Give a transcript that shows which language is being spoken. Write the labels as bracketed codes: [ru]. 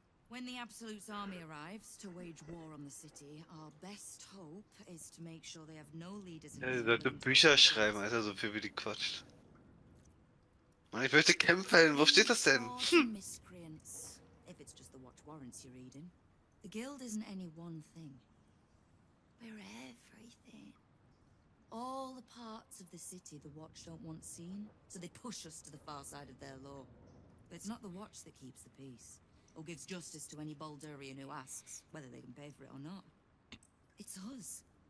[en] When the Absolute's army arrives to wage war on the city, our best hope is to make sure they have no leaders in the city. [de] Ja, die sollte Bücher schreiben, Alter, so viel wie die quatscht. Mann, ich möchte kämpfen, wo steht das denn? [en] Miscreants, if it's just the Watch Warrants you're reading. The Guild isn't any one thing. We're everything. All the parts of the city the Watch don't want seen, so they push us to the far side of their law. But it's not the Watch that keeps the peace. Or gives justice to any Baldurian who asks whether they can pay for it or not. It's us.